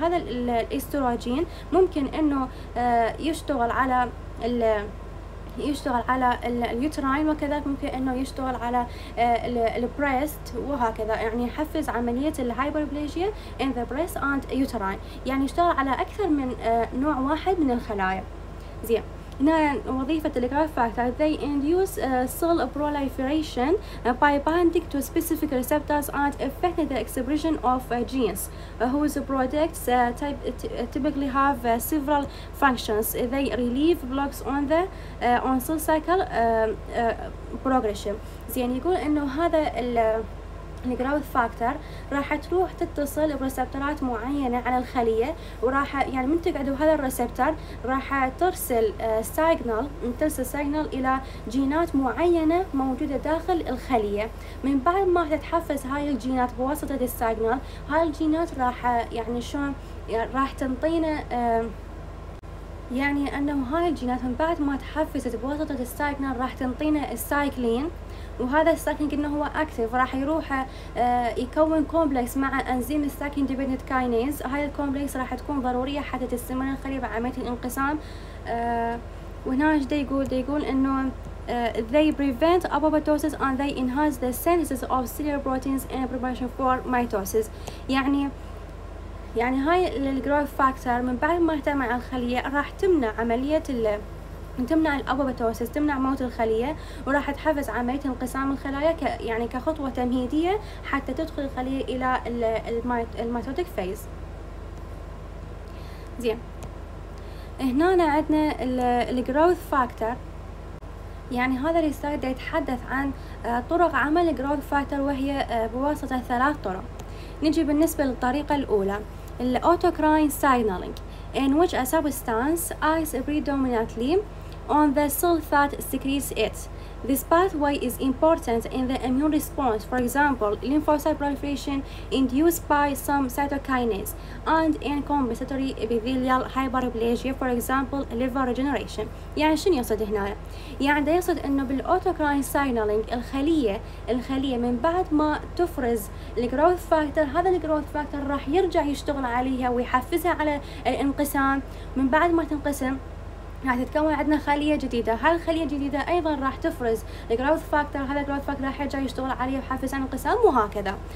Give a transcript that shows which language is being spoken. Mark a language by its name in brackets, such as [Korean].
[Arabic] هذا الإستروجين ممكن أنه يشتغل على يشتغل على اليوتراين، وكذلك ممكن انه يشتغل على البريست، وهكذا يعني يحفز عملية الهايبربليجيا [English] in the breast and uterine. [Arabic] يعني يشتغل على اكثر من نوع واحد من الخلايا. زين هنا وظيفة الجروث فاكتور، [English] they induce cell proliferation by binding to specific receptors and affecting the expression of genes whose products typically have several functions. They relieve blocks on the on cell cycle progression. [Arabic] زين يقول إنه هذا الجروث فاكتور راح تروح تتصل بريسبترات معينة على الخلية، وراح يعني من تقعد بهذا الريسبتر راح ترسل سيجنال، ترسل سيجنال إلى جينات معينة موجودة داخل الخلية. من بعد ما تتحفز هاي الجينات بواسطة السيجنال، هاي الجينات راح يعني شلون يعني راح تنطينا يعني أنه هاي الجينات من بعد ما تحفزت بواسطة السيجنال راح تنطينا السايكلين، وهذا الساكن قلنا هو اكتف، راح يروح يكون كومبلكس مع انزيم الساكن ديبندنت كاينيز. هاي الكومبلكس راح تكون ضروريه حتى تستمر الخليه بعمليه الانقسام. وهنا ايش يقول انه [English] they prevent apoptosis and they enhance the synthesis of cellular proteins in preparation for mitosis. [Arabic] يعني هاي الجروث فاكتور من بعد ما اهتم على الخليه راح تمنع عمليه تمنع الأبوبتوسيس، تمنع موت الخلية، وراح تحفز عملية انقسام الخلايا يعني كخطوة تمهيدية حتى تدخل الخلية إلى الميتوتيك فيز. زين هنا عندنا الجروث فاكتور، يعني هذا السلايد يتحدث عن طرق عمل الجروث فاكتور وهي بواسطة ثلاث طرق. نجي بالنسبة للطريقة الأولى الأوتوكراين سايجنالينج، [English] in which a substance acts predominantly on the cell that secretes it. This pathway is important in the immune response, for example, lymphocyte proliferation induced by some cytokines, and in compensatory epithelial hyperplasia, for example, liver regeneration. [Arabic] يعني شنو يقصد هنا؟ يعني ده يقصد انه بالاوتوكراين سيجنالينج الخليه من بعد ما تفرز الجروث فاكتور، هذا الجروث فاكتور راح يرجع يشتغل عليها ويحفزها على الانقسام. من بعد ما تنقسم راح تتكون عندنا خلية جديدة. هاي الخلية الجديدة أيضا راح تفرز الجروث فاكتور، هذا الجروث فاكتور راح يرجع يشتغل عليه ويحفز على انقسام وهكذا.